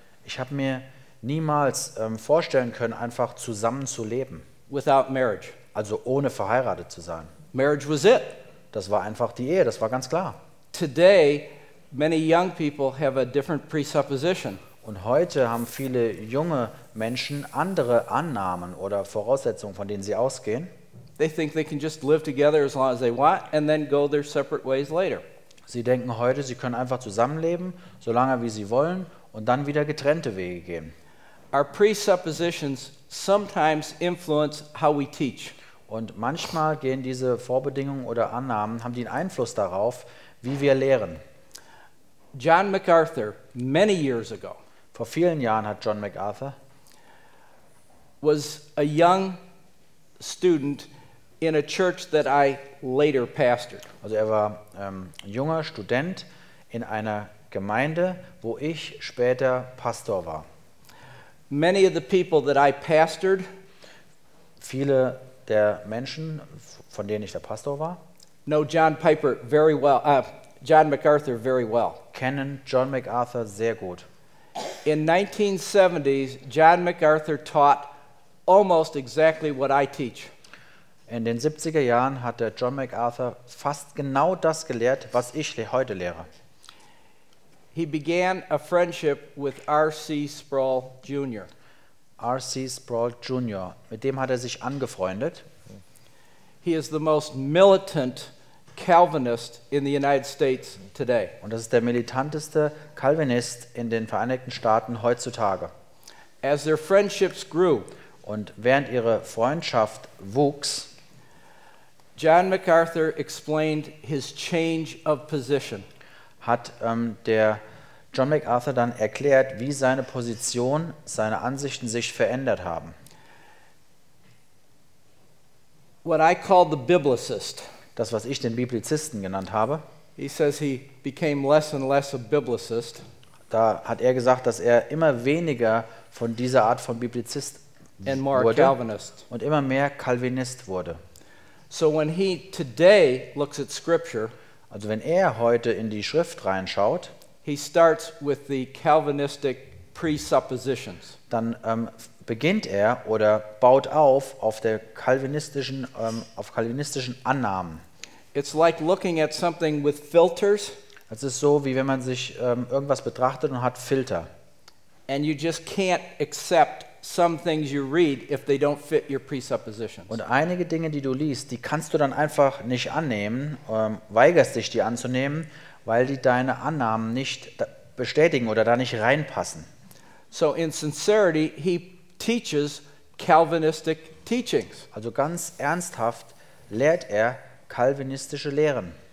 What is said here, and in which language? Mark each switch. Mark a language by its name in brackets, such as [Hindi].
[German] Ich habe mir niemals vorstellen können, einfach zusammen zu leben. [English] Without marriage. [German] Also ohne verheiratet zu sein. [English] Marriage was it. [German] Das war einfach die Ehe, das war ganz klar. [English] Today, many young people have a different presupposition. [German] Und heute haben viele junge Menschen andere Annahmen oder Voraussetzungen, von denen sie ausgehen. [English] They think they can just live together as long as they want and then go their separate ways later. [German] Sie denken heute, sie können einfach zusammenleben, so lange wie sie wollen und dann wieder getrennte Wege gehen. [English] Our presuppositions sometimes influence how we teach. [German] Und manchmal gehen diese Vorbedingungen oder Annahmen haben den Einfluss darauf, wie wir lehren. [English] John MacArthur many years ago. [German] Vor vielen Jahren hat John MacArthur [English] was a young student in a church that I later pastored. [German] Also war ein junger Student in einer Gemeinde, wo ich später Pastor war. [English] Many of the people that I pastored, [German] viele der Menschen, von denen ich der Pastor war, [English] know John Piper very well, John MacArthur very well. [German] Kennen John MacArthur sehr gut. [English] In 1970s, John MacArthur taught almost exactly what I teach. [German] In den 70er Jahren hat der John MacArthur fast genau das gelehrt, was ich heute lehre. [English] He began a friendship with R.C. Sproul Jr. [German] R.C. Sproul Jr., mit dem hat sich angefreundet. [English] He is the most militant Calvinist in the United States today. [German] Und das ist der militanteste Calvinist in den Vereinigten Staaten heutzutage. [English] As their friendships grew, [German] und während ihre Freundschaft wuchs, [English] John MacArthur explained his change of position. [German] Hat der John MacArthur dann erklärt, wie seine Position, seine Ansichten sich verändert haben. [English] What I call the biblicist. [German] Das, was ich den Biblizisten genannt habe. [English] He says he became less and less a biblicist. [German] Da hat er gesagt, dass er immer weniger von dieser Art von Biblizist [English] and more [German] wurde [English] Calvinist. [German] Und immer mehr Calvinist wurde. [English] So when he today looks at scripture, [German] also wenn er heute in die Schrift reinschaut, [English] he starts with the Calvinistic presuppositions. [German] Dann beginnt er oder baut auf der calvinistischen auf calvinistischen Annahmen. [English] It's like looking at something with filters. [German] Es ist so, wie wenn man sich irgendwas betrachtet und hat Filter. [English] And you just can't accept some things you read if they don't fit your presuppositions. [German] Und einige Dinge, die du liest, die kannst du dann einfach nicht annehmen, weigerst dich, die anzunehmen, weil die deine Annahmen nicht bestätigen oder da nicht reinpassen. [English] So in sincerity he teaches Calvinistic teachings. [German] Also ganz ernsthaft lehrt er calvinistische Lehren.